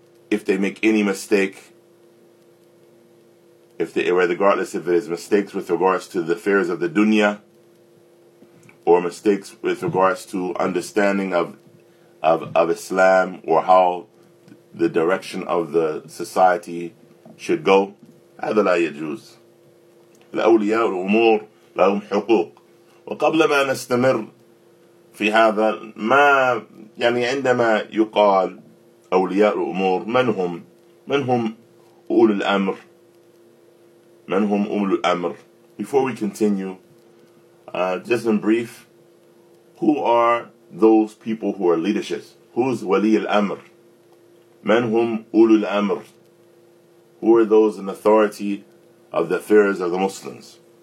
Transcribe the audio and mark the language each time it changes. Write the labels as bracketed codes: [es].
[en] if they make any mistake, regardless if it is mistakes with regards to the affairs of the dunya, or mistakes with regards to understanding of Islam, or how the direction of the society should go. [ar] هذا لا يجوز. الأولياء الأمور لهم حقوق. وقبل ما نستمر في هذا, ما يعني عندما يقال أولياء الأمور, من هم أولو الأمر من هم أم الأمر. [en] Before we continue, just in brief, who are those people who are leaderships? Who's ولي الأمر؟ [ar] من هم أولو الأمر؟ [en] Who are those in authority of the affairs of the Muslims?